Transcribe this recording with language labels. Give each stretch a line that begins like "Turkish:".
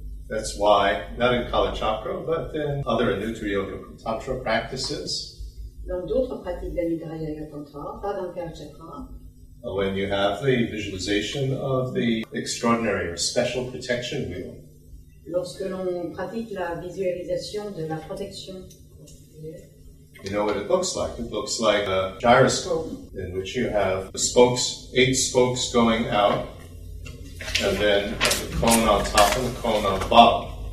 English: That's why, not in Kalachakra, but in other Anuttara Yoga Tantra practices.
French: Dans d'autres pratiques d'Anuttara Yoga Tantra, pas dans Kalachakra.
English: When you have the visualization of the extraordinary or special protection wheel.
French: Lorsque l'on pratique la visualisation de la protection.
English: You know what it looks like. It looks like a gyroscope in which you have the spokes, 8 spokes going out, and then the cone on top and the cone on the bottom.